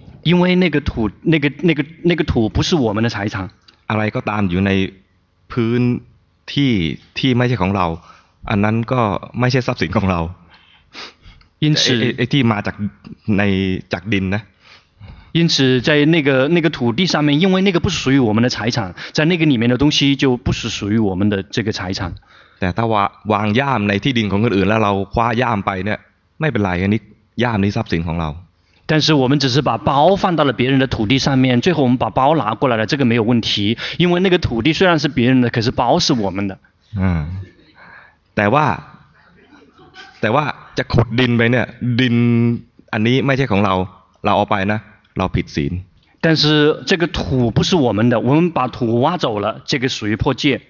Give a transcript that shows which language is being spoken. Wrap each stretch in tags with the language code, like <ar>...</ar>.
<zh>因为那个土不是我们的财产</zh> <th>อะไรก็ตามอยู่ในพื้นที่ที่ไม่ใช่ของเราอันนั้นก็ไม่ใช่ทรัพย์สินของเรา</th> <zh>因此</zh> <th>ไอ้ที่มาจากในจากดินนะ</th> <zh>因此在那个土地上面因为那个不属于我们的财产在那个里面的东西就不是属于我们的这个财产</zh> <th>แต่ถ้าวางย่ามในที่ดินของคนอื่นแล้วเราคว้าย่ามไปเนี่ยไม่เป็นไรอันนี้ย่ามนี้ทรัพย์สินของเรา</th> <zh>但是我们只是把包放到了别人的土地上面最后我们把包拿过来了这个没有问题因为那个土地虽然是别人的可是包是我们的</zh> <th>แต่ว่าจะขุดดินไปเนี่ยดินอันนี้ไม่ใช่ของเราเราเอาไปนะเราผิดศีล</th> <zh>但是这个土不是我们的我们把土挖走了这个属于破戒</zh>